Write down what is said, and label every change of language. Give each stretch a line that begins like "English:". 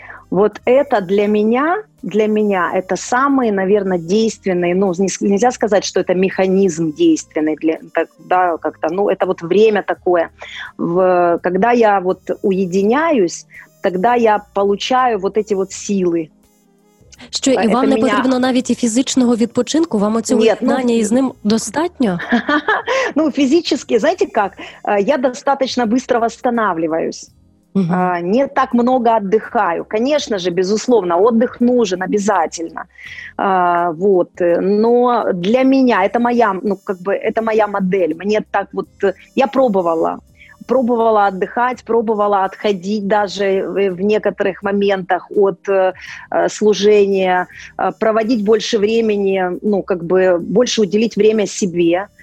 Russian: Вот это для меня это самый, наверное, действенный, ну, нельзя сказать, что это механизм действенный, это вот время такое. Когда я вот уединяюсь, тогда я получаю вот эти вот силы.
Ukrainian: Що, і вам не потрібно навіть і фізичного відпочинку? Вам оцього єднання із ним достатньо? Ну, фізично, знаєте як, я достатньо швидко відновлююсь.
Russian: Не так много отдыхаю. Конечно же, безусловно, отдых нужен обязательно. Вот. Но для меня это моя, ну, как бы, это моя модель. Мне так вот... Я пробовала отдыхать, пробовала отходить даже в некоторых моментах от служения, проводить больше времени, ну, как бы, больше уделить время себе.